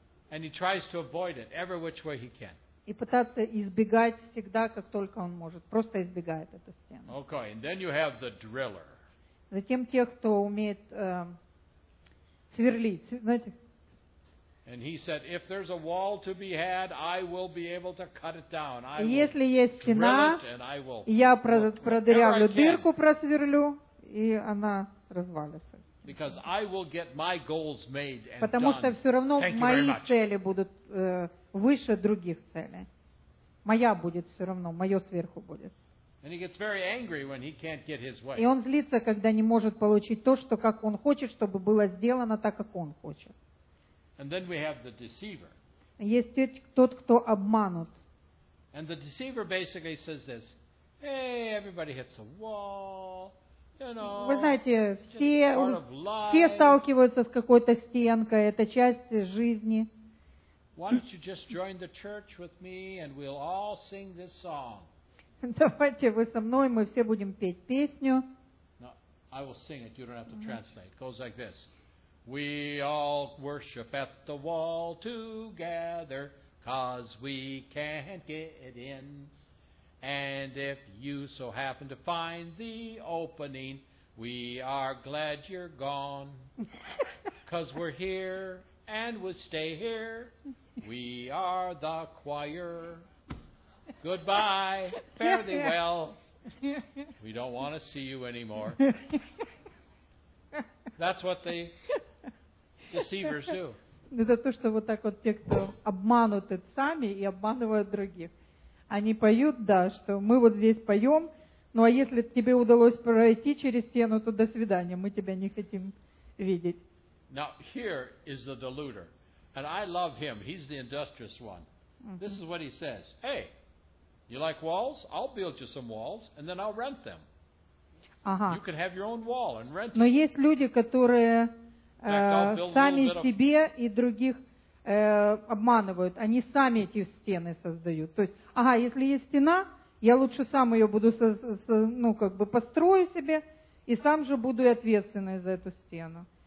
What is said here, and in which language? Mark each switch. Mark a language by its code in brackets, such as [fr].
[en] And he tries to avoid it every which way he can. [ru] И пытается избегать всегда, как только он может. Просто избегает эту стену. [en] Okay, and then you have the driller. [ru] Затем тех, кто умеет сверлить, знаете. [en] And he said, if there's a wall to be had, I will be able to cut it down. I [ru] если есть стена, я продырявлю дырку, просверлю, и она развалится. [en] Because I will get my goals made and [ru] потому [en] done. [ru] Что все равно мои цели будут выше других целей. Моя будет все равно, мое сверху будет. [en] And he gets very angry when he can't get his way. [ru] И он злится, когда не может получить то, что как он хочет, чтобы было сделано так, как он хочет. [en] And then we have the deceiver. [ru] Есть тот, кто обманут. [en] And the deceiver basically says this: "Hey, everybody hits a wall, you know." [ru] Вы знаете, все сталкиваются с какой-то стенкой. Это часть жизни. [en] Why don't you just join the church with me, and we'll all sing this song? [ru] Давайте вы со мной, мы все будем петь песню. [en] No, I will sing it, you don't have to translate. It goes like this. We all worship at the wall together, cause we can't get in. And if you so happen to find the opening, we are glad you're gone. Cause we're here, and we'll stay here. We are the choir. Goodbye. Fare thee well. We don't want to see you anymore. That's what the deceivers do. [ru] Это то, что вот так вот те, кто обмануты сами и обманывают других. Они поют, да, что мы вот здесь поем, Ну а если тебе удалось пройти через стену, то до свидания, мы тебя не хотим видеть. [en] Now here is the deluder. And I love him. He's the industrious one. Uh-huh. This is what he says. Hey, you like walls? I'll build you some walls and then I'll rent them. [ru] Ага. [en] You can have your own wall and rent [ru] Но есть люди, которые сами себе и других обманывают. Они сами эти стены создают. То есть, ага, если есть стена, я лучше сам ее буду, ну, как бы построю себе и сам же буду и ответственный за эту стену.